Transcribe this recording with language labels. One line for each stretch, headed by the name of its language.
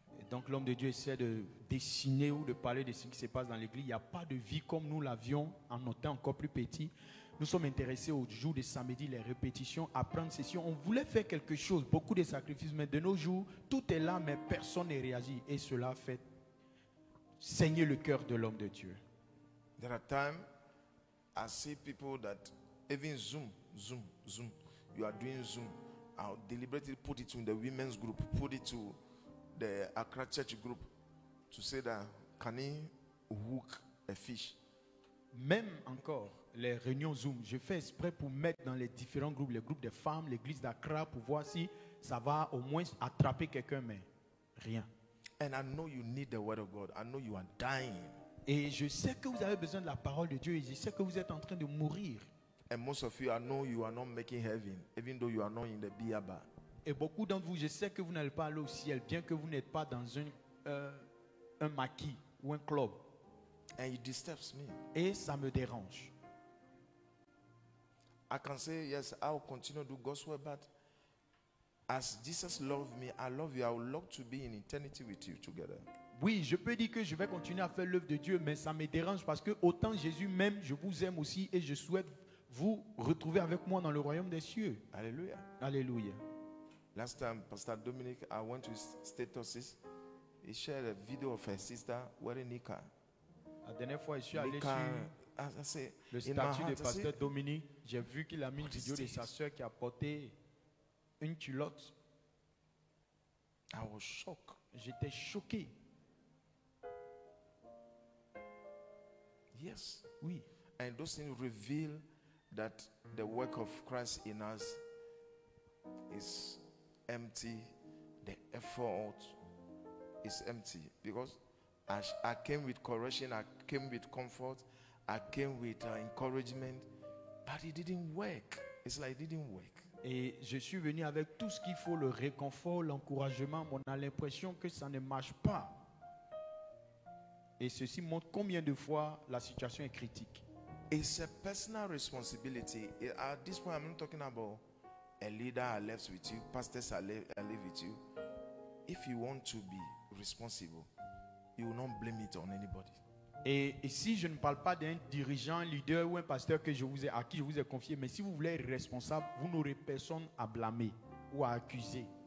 French: Donc l'homme de Dieu essaie de dessiner ou de parler de ce qui se passe dans l'église. Il n'y a pas de vie comme nous l'avions en notre temps encore plus petit. Nous sommes intéressés au jour de samedi, les répétitions, apprendre ceci. On voulait faire quelque chose, beaucoup de sacrifices, mais de nos jours, tout est là, mais personne n'est réagi. Et cela fait saigner le cœur de l'homme de Dieu.
English: There are times I see people that even Zoom, you are doing Zoom. I'll deliberately put it to the women's group, put it to the Accra Church group to say that can he hook a fish?
French: Même encore les réunions Zoom, je fais exprès pour mettre dans les différents groupes, les groupes de femmes, l'église d'Accra, pour voir si ça va au moins attraper quelqu'un, mais rien.
English: And I know you need the word of God. I know you are dying.
French: Et je sais que vous avez besoin de la parole de Dieu. Et je sais que vous êtes en train de mourir.
English: And most of you, I know you are not making heaven, even though you are not in the biaba.
French: Et beaucoup d'entre vous, je sais que vous n'allez pas aller au ciel, bien que vous n'êtes pas dans un maquis ou un club.
English: And it disturbs me.
French: Et ça me dérange.
English: I can say yes, I will continue to do God's word, but as Jesus loved me, I love you. I would love to be in eternity with you together.
French: Oui, je peux dire que je vais continuer à faire l'œuvre de Dieu, mais ça me dérange parce que autant Jésus m'aime, je vous aime aussi et je souhaite vous retrouver avec moi dans le royaume des cieux. Alléluia. Alléluia.
English: Last time, Pastor Dominic, I went to his status. He shared a video of her sister wearing Nika.
French: La dernière fois, je suis allé sur le statut de Pasteur Dominic. J'ai vu qu'il a mis une vidéo de sa soeur qui a porté une culotte.
English: I was shocked.
French: J'étais choqué.
English: Yes.
French: Oui.
English: And those things reveal that the work of Christ in us is empty, the effort is empty, because I came with correction, I came with comfort, I came with encouragement, but it didn't work. It's like it didn't work.
French: Et je suis venu avec tout ce qu'il faut, le réconfort, l'encouragement, mais on a l'impression que ça ne marche pas. Et ceci montre combien de fois la situation est critique.
English: It's a personal responsibility. At this point, I'm not talking about a leader are left with you, pastors are left with you. If you want to be responsible, you will not blame it on anybody.
French: Et si je ne parle pas d'un dirigeant, leader ou un pasteur que je vous ai, à qui je vous ai confié, mais si vous voulez être responsable, vous n'aurez personne à blâmer ou à accuser.